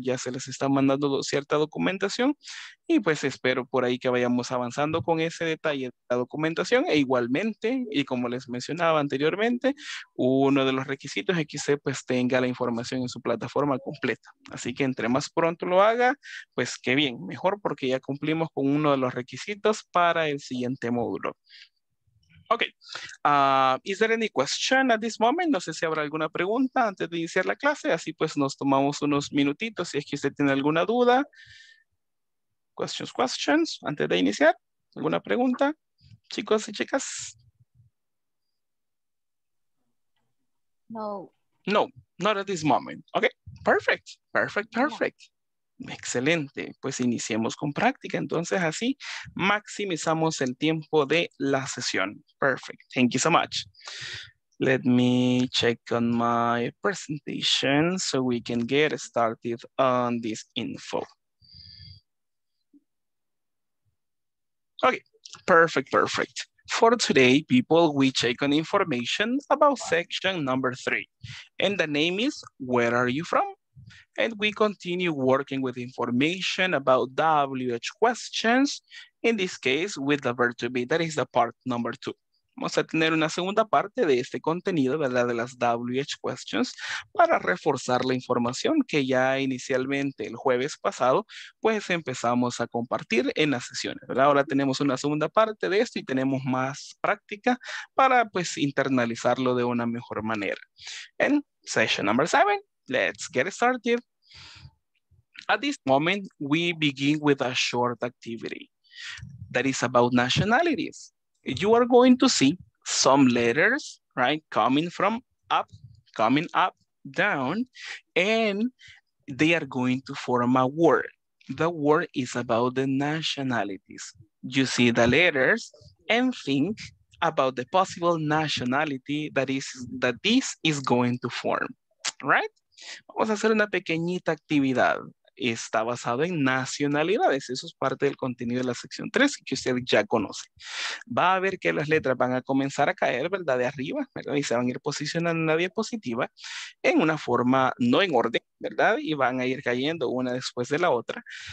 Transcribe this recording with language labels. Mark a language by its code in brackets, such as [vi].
[es] Ya se les está mandando cierta documentación y pues espero por ahí que vayamos avanzando con ese detalle de la documentación e igualmente y como les mencionaba anteriormente, uno de los requisitos es que usted pues tenga la información en su plataforma completa. Así que entre más pronto lo haga, pues qué bien, mejor porque ya cumplimos con uno de los requisitos para el siguiente módulo. [en] Ok, is there any question at this moment? [es] No sé si habrá alguna pregunta antes de iniciar la clase. Así pues nos tomamos unos minutitos si es que usted tiene alguna duda. Questions antes de iniciar. ¿Alguna pregunta, chicos y chicas? No. [en] No, not at this moment. Ok, perfect, perfect, perfect. Yeah. [es] Excelente, pues iniciemos con práctica. Entonces así maximizamos el tiempo de la sesión. [en] Perfect, thank you so much. Let me check on my presentation so we can get started on this info. Okay, perfect, perfect. For today, people, we check on information about section number 3. And the name is, where are you from? And we continue working with information about WH questions, in this case, with the verb to be, that is the part number 2. [es] Vamos a tener una segunda parte de este contenido, ¿verdad? De las WH questions, para reforzar la información que ya inicialmente el jueves pasado, pues empezamos a compartir en las sesiones, ¿verdad? Ahora tenemos una segunda parte de esto y tenemos más práctica para, pues, internalizarlo de una mejor manera. [en] En session number 7. Let's get started. At this moment, we begin with a short activity that is about nationalities. You are going to see some letters, right, coming from up, coming up, down, and they are going to form a word. The word is about the nationalities. You see the letters and think about the possible nationality that this is going to form, right? [es] Vamos a hacer una pequeñita actividad. Está basado en nacionalidades. Eso es parte del contenido de la sección 3 que usted ya conoce. Va a ver que las letras van a comenzar a caer, ¿verdad? De arriba, ¿verdad? Y se van a ir posicionando en la diapositiva en una forma no en orden, ¿verdad? Y van a ir cayendo una después de la otra.